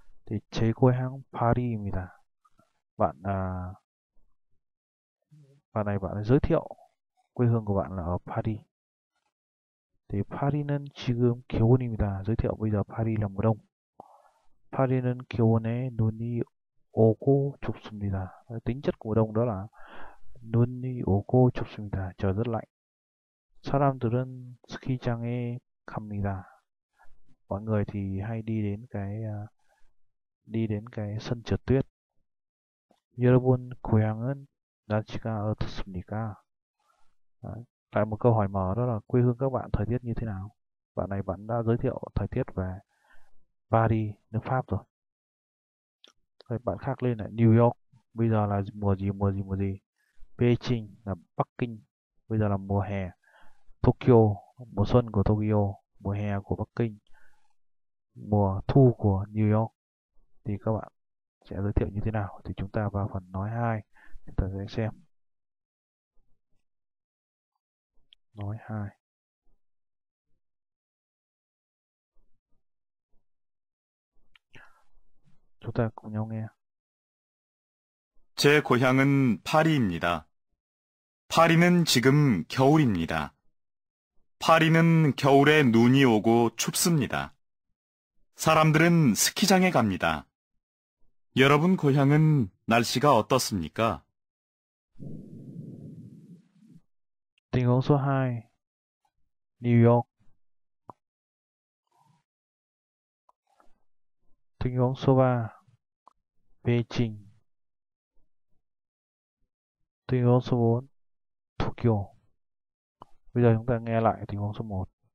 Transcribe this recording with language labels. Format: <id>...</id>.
<vi>Thì chế quê hãng Paris입니다. Bạn này bạn ấy giới thiệu quê hương của bạn là ở Paris.</vi> <ko>Thì Paris는 지금 겨울입니다. 지금 여기서 파리 남동. 파리는 겨울에 눈이 오고 춥습니다.</ko> <vi>Tính chất của đông đó là</vi> <ko>눈이 오고 춥습니다.</ko> <vi>Trời rất lạnh.</vi> <ko>사람들은 스키장에 갑니다.</ko> <vi>Mọi người thì hay đi đến cái sân trượt tuyết.</vi> <ko>여러분 고향은 날씨가 어떻습니까?</ko> <vi>Đấy. Lại một câu hỏi mở, đó là quê hương các bạn thời tiết như thế nào? Bạn này bạn đã giới thiệu thời tiết về Paris, nước Pháp rồi. Rồi bạn khác lên lại New York. Bây giờ là mùa gì, mùa gì, mùa gì? Beijing là Bắc Kinh. Bây giờ là mùa hè. Tokyo, mùa xuân của Tokyo. Mùa hè của Bắc Kinh. Mùa thu của New York. Thì các bạn sẽ giới thiệu như thế nào? Thì chúng ta vào phần nói hai. Chúng ta sẽ xem. Nói hai. Chúng ta cùng nhau nghe.</vi> <ko>제 고향은 파리입니다. 파리는 지금 겨울입니다. 파리는 겨울에 눈이 오고 춥습니다. 사람들은 스키장에 갑니다. 여러분 고향은 날씨가 어떻습니까?</ko> <vi>Tình huống số 2, New Tình huống số 3, Beijing. Tình huống số 4, Tokyo. Bây giờ chúng ta nghe lại tình huống số 1.</vi>